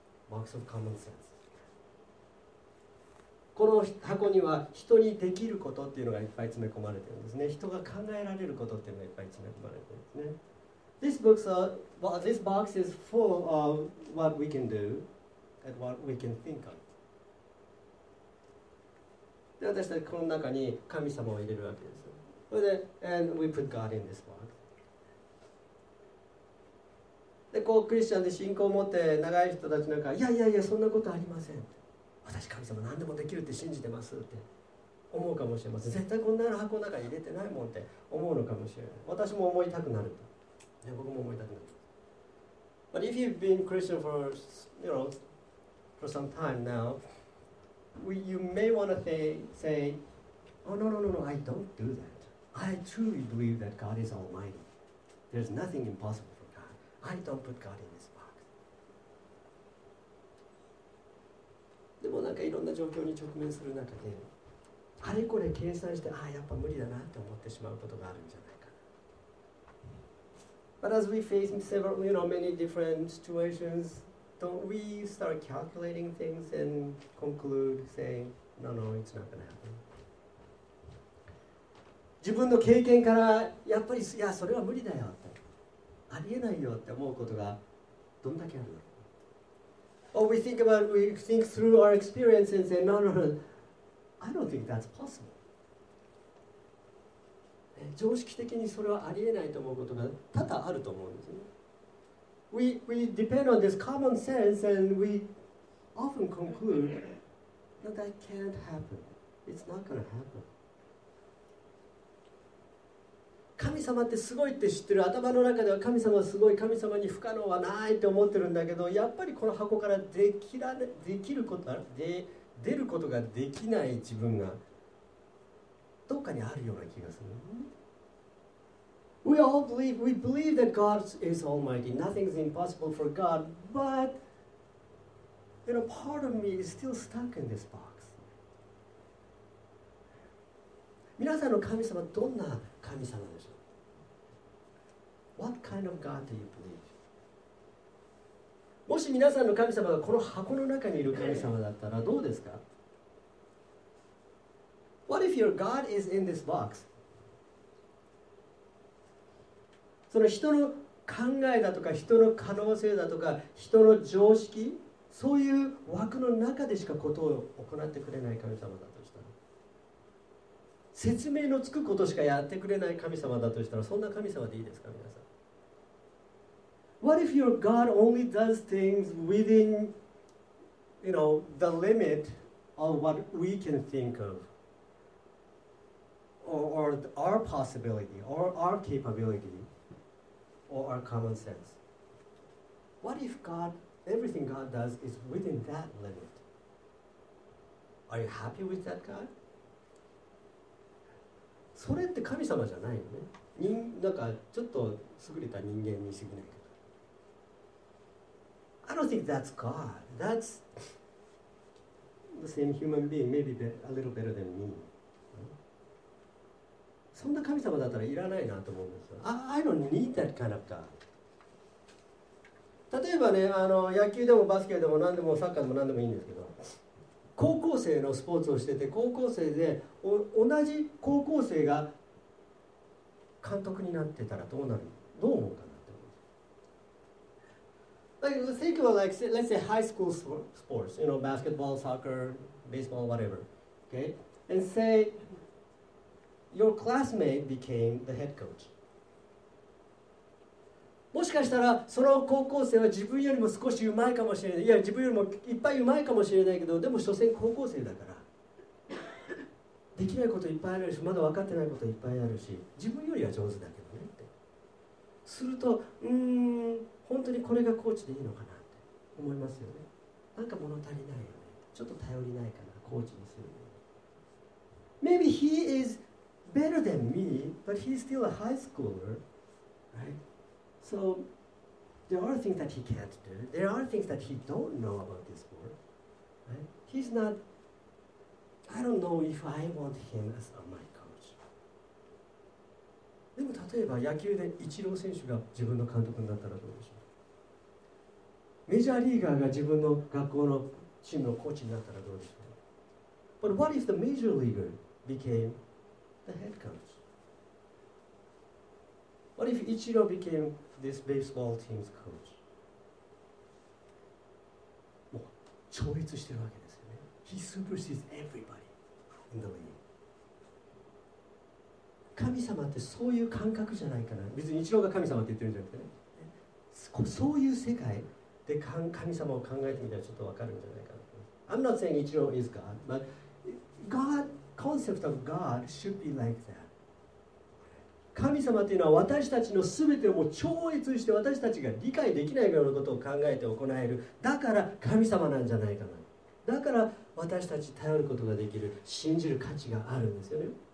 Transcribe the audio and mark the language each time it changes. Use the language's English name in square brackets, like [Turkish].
[English] Box of common sense. [Japanese] この箱には人にできることっていうのがいっぱい詰め込まれてるんですね。人が考えられることっていうのがいっぱい詰め込まれてるんですね。 [English] This box, this box is full of what we can do and what we can think of. [Japanese] で、私たちはこの中に神様を入れるわけです。それで、 [English] and we put God in this box. [Japanese] で、こうクリスチャンで信仰を持って長い人たちなんか、いやいやいや、そんなことありません。私神様何でもできるって信じてますって思うかもしれません。絶対こんな箱の中に入れてないもんって思うのかもしれない。私も思いたくなると。いや、僕も思いたくなる。 [English] But if you've been Christian for, you know, for some time now, you may want to say, oh no, no, no, no, I don't do that. I truly believe that God is almighty. There's nothing impossible for God. I don't put God in this. [Japanese] でもなんかいろんな状況に直面する中で、あれこれ計算して、ああ、やっぱ無理だなって思ってしまうことがあるんじゃないかな。 [English] But as we face several, you know, many different situations, don't we start calculating things and conclude saying, no, no, it's not going to happen? [Japanese] 自分の経験から、やっぱり、いや、それは無理だよって、ありえないよって思うことがどんだけあるの？ [English] Or we think about, we think through our experiences and say, no, no, no, I don't think that's possible. [Japanese] 常識的にそれはありえないと思うことが多々あると思うんですね。 [English] We depend on this common sense and we often conclude that that can't happen. It's not going to happen. [Japanese] 神様ってすごいって知ってる。頭の中では神様はすごい、神様に不可能はないって思ってるんだけど、やっぱりこの箱からできることあるで出ることができない自分がどっかにあるような気がする。 [English] We all believe, we believe that God is almighty. Nothing is impossible for God. But, you know, part of me is still stuck in this box. [Japanese] 皆さんの神様どんな神様でしょう。 [English] What kind of God do you believe? [Japanese] もし皆さんの神様がこの箱の中にいる神様だったらどうですか。 [English] What if your God is in this box? [Japanese] その人の考えだとか人の可能性だとか人の常識、そういう枠の中でしかことを行ってくれない神様だとしたら、説明のつくことしかやってくれない神様だとしたら、そんな神様でいいですか、皆さん。 [English] What if your God only does things within, you know, the limit of what we can think of, or our possibility, or our capability, or our common sense? What if God, everything God does is within that limit? Are you happy with that God? [Japanese] それって神様じゃないよね。人なんかちょっと優れた人間にすぎないけど。 [English] I don't think that's God. That's the same human being, maybe a little better than me. [Japanese] そんな神様だったらいらないなと思うんですよ。 [English] I don't need that kind of God. [Japanese] 例えばね、野球でもバスケでも何でもサッカーでも何でもいいんですけど。高校生のスポーツをしてて、高校生で同じ高校生が監督になってたらどうなる、どう思うかなって思う。 [English] Like, think about like, say, let's say high school sports, you know, basketball, soccer, baseball, whatever. Okay? And say, your classmate became the head coach. [Japanese] もしかしたらその高校生は自分よりも少し上手いかもしれない、いや自分よりもいっぱい上手いかもしれないけど、でも所詮高校生だからできないこといっぱいあるし、まだ分かってないこといっぱいあるし、自分よりは上手だけどねって、すると本当にこれがコーチでいいのかなって思いますよね。なんか物足りないよね、ちょっと頼りないかな、コーチにするね。 [English] Maybe he is better than me, but he's still a high schooler, right? So, there are things that he can't do. There are things that he don't know about this world. Right? He's not... I don't know if I want him as my coach. [Japanese] でも例えば野球でイチロー選手が自分の監督になったらどうでしょう。メジャーリーガーが自分の学校のチームのコーチになったらどうでしょう。 [English] But what if the major leaguer became the head coach? What if Ichiro became this baseball team's coach? [Japanese] もう超越してるわけですよね。 [English] He supersedes everybody in the league. [Japanese] 神様ってそういう感覚じゃないかな。別に一郎が神様って言ってるんじゃなくてね、そういう世界で神様を考えてみたらちょっと分かるんじゃないかな。 [English] I'm not saying 一郎 is God, but God concept of God should be like that. [Japanese] 神様っていうのは私たちの全てをもう超越して私たちが理解できないようなことを考えて行える、だから神様なんじゃないかな。だから私たち頼ることができる、信じる価値があるんですよね。